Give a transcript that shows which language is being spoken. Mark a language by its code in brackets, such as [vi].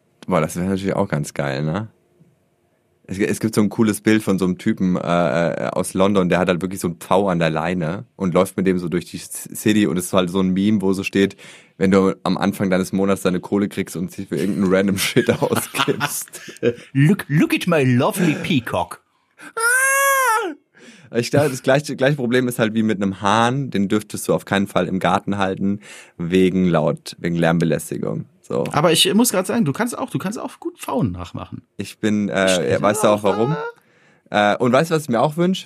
[de] Boah, das wäre natürlich auch ganz geil, ne? Es gibt so ein cooles Bild von so einem Typen aus London, der hat halt wirklich so ein V an der Leine und läuft mit dem so durch die City und es ist halt so ein Meme, wo so steht, wenn du am Anfang deines Monats deine Kohle kriegst und sie für irgendeinen random Shit ausgibst. [en] Look at my lovely peacock. [de] Ich glaube, das gleiche Problem ist halt wie mit einem Hahn, den dürftest du auf keinen Fall im Garten halten, wegen Lärmbelästigung. So. Aber ich muss gerade sagen, du kannst auch gut Pfauen nachmachen. Ich bin, weißt du auch warum? Und weißt du, was ich mir auch wünsche?